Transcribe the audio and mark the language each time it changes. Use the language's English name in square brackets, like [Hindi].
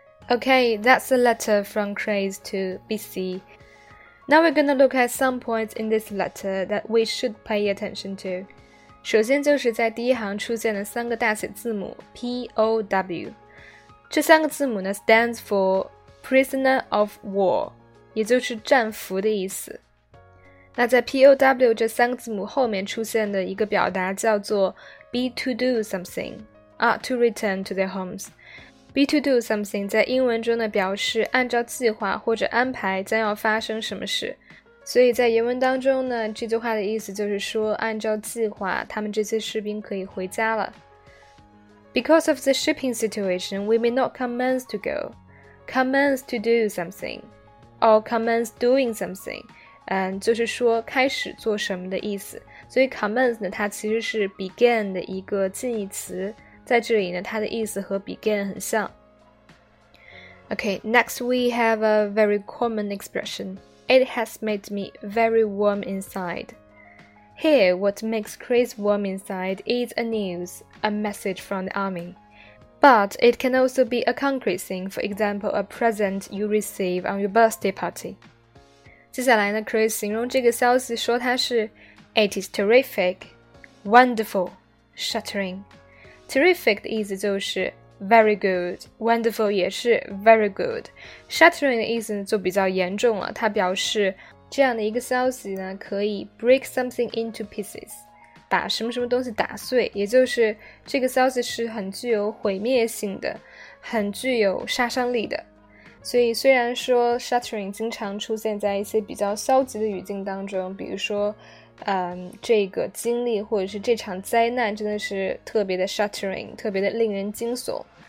[English] 。Okay, that's a letter from Chris to BC. Now we're going to look at some points in this letter that we should pay attention to. [Chinese] 首先就是在第一行出现的三个大写字母 POW. 这三个字母呢 [English] stands for Prisoner of War, [Chinese] 也就是战俘的意思。那在 POW 这三个字母后面出现的一个表达叫做 [English] be to do something, are to return to their homes. Be to do something [Chinese] 在英文中呢表示按照计划或者安排将要发生什么事，所以在原文当中呢，这句话的意思就是说按照计划他们这些士兵可以回家了。 [English] Because of the shipping situation, we may not commence to go. Commence to do something or commence doing something, [Chinese] 就是说开始做什么的意思，所以 commence 呢它其实是 begin 的一个近义词，在这里呢它的意思和 begin 很像。 [English] OK, next we have a very common expression. It has made me very warm inside. Here, what makes Chris warm inside is a news, a message from the army. But it can also be a concrete thing, for example, a present you receive on your birthday party. [Chinese] 接下来呢 Chris 形容这个消息说它是 [English] It is terrific, wonderful, shattering. Terrific [Chinese] 的意思就是 [English] very good, wonderful [Chinese] 也是 [English] very good. [Chinese] Shattering 的意思就比较严重了，它表示这样的一个消息呢，可以 [English] break something into pieces, [Chinese] 把什么什么东西打碎，也就是这个消息是很具有毁灭性的，很具有杀伤力的。所以虽然说 shattering 经常出现在一些比较消极的语境当中，比如说这个经历或者是这场灾难真的是特别的 shattering, 特别的令人惊悚。